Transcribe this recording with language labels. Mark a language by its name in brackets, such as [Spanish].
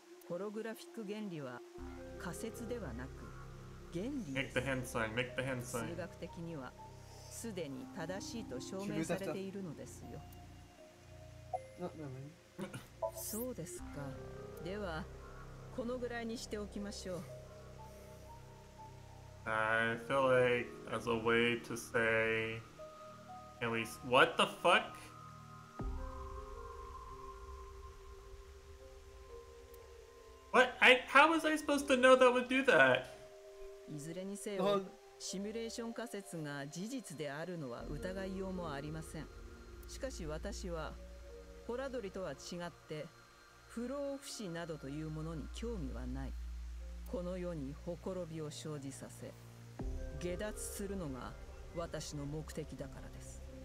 [Japanese] ホログラフィック原理は仮説ではなく原理。数学的にはすでに正しいと証明されているのですよ。そうですか。ではこのぐらいにしておきましょう。 [English] I feel like as a way to say at least what the fuck? What? How was I supposed to know that would do that? [Japanese] いずれにせよ、シミュレーション仮説が事実であるのは疑いようもありません。しかし私は、ホラドリとは違って、不老不死などというものに興味はない。この世にほころびを生じさせ、下脱するのが私の目的だからです。